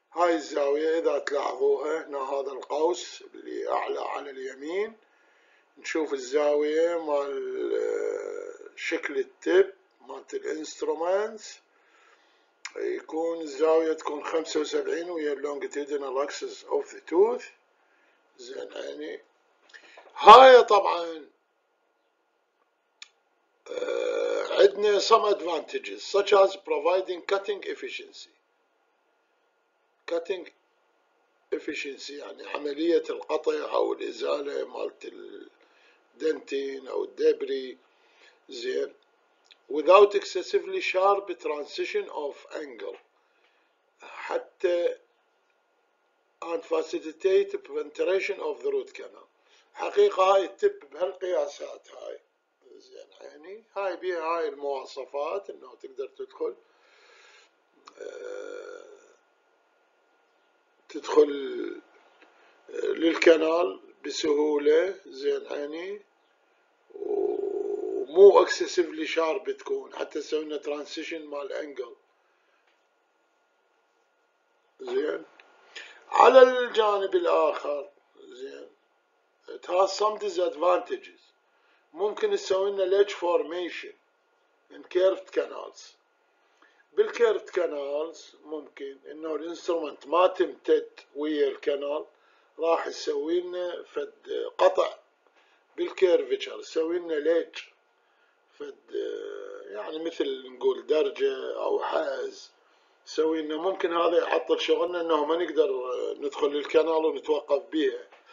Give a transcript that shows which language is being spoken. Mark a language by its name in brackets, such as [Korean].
[Arabic] هاي الزاوية اذا تلاحظوها هنا هذا القوس اللي اعلى على اليمين، نشوف الزاوية مع شكل التب مع الانسترومنت، يكون الزاوية تكون 75 ويا [English] longitudinal axis of the tooth. [Arabic] زين عيني، هاي طبعا عندنا [English] some advantages such as providing cutting efficiency. [Arabic] cutting efficiency يعني عملية القطع او الازالة مالت الدنتين او الدبري. [English] زين، without excessively sharp transition of angle حتى، and facilitate penetration of the root canal. [Arabic] حقيقة هاي التب بهالقياسات هاي زين عيني، هاي بيها هاي المواصفات انه تقدر تدخل تدخل للكنال بسهولة. زين عيني، ومو اكسسيفلي شارب تكون حتى سوينا ترانسيشن مال انجل. زين، على الجانب الاخر زين، [English] it has some disadvantages، [Arabic] ممكن تسوي لنا [English] ledge formation in curved canals. [Arabic] بالcurved canals ممكن انه الانسترومنت ما تمتد ويا الكنال، راح يسوي لنا فد قطع بالcurvature، يسوي لنا ledge فد يعني مثل نقول درجة او حاز، سوي انه ممكن هذا يعطل شغلنا انه ما نقدر ندخل للكنال ونتوقف بيها.